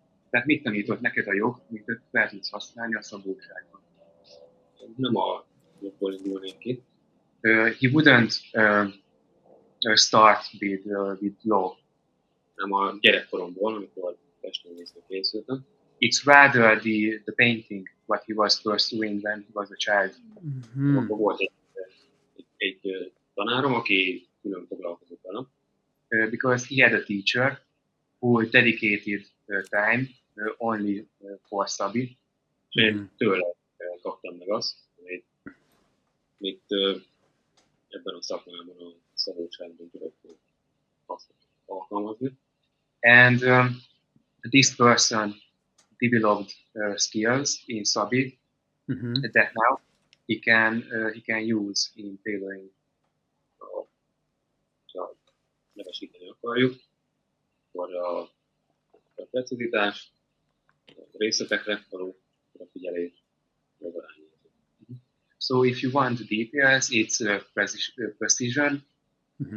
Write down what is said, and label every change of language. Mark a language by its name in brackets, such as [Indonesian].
[Hungarian] Tehát mit tanított neked a jog, amit fel tudsz használni a szabóságban? Nem a [English] He wouldn't start with law. [Hungarian] Nem a gyerekkoromból, amikor festőművészre készültem. [English] It's rather the painting, what he was pursuing when he was a child. Mm-hmm. [Hungarian] Akkor volt egy tanárom, aki külön foglalkozott velem. [English] Because he had a teacher who dedicated time only for Szabi. Mm-hmm. [Hungarian] Én tőle kaptam meg azt, amit ebben a szakmában a szabadságban tudok alkalmazni. [English] And this person developed skills in Szabi mm-hmm. that now he can use in tailoring. [Hungarian] Ha nevesíteni akarjuk, vagy a precizitás, a részletekre való figyelés, az arány. [English] So if you want details, it's precision, mm-hmm.